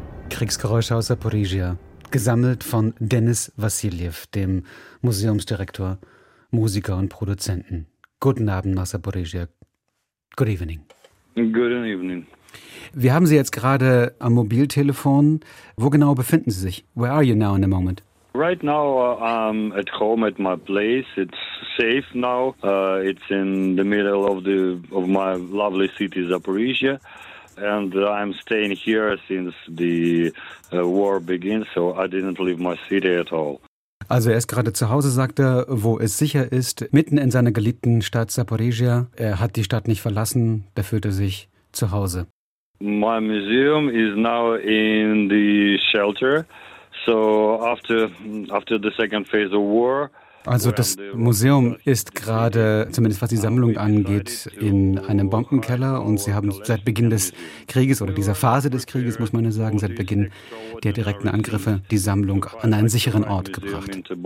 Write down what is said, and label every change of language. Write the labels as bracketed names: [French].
[German] Kriegsgeräusche aus Saporischschja, gesammelt von Denis Vassiljev, dem Museumsdirektor, Musiker und Produzenten. Guten Abend nach Saporischschja. [English] Good evening. Good evening. [German] Wir haben Sie jetzt gerade am Mobiltelefon. Wo genau befinden Sie sich? [English] Where are you now in the moment? Right now I'm at home at my place. It's safe now. It's in the middle of my lovely city Saporischschja. And I'm staying here since the war began, so I didn't leave my city at all. [German] Also er ist gerade zu Hause, sagt er, wo es sicher ist, mitten in seiner geliebten Stadt Saporischschja. Er hat die Stadt nicht verlassen, da fühlt er sich zu Hause. [English] My museum is now in the shelter, so after the second phase of war. [German] Also das Museum ist gerade, zumindest was die Sammlung angeht, in einem Bombenkeller und Sie haben seit Beginn des Krieges oder dieser Phase des Krieges, muss man ja sagen, seit Beginn der direkten Angriffe die Sammlung an einen sicheren Ort gebracht.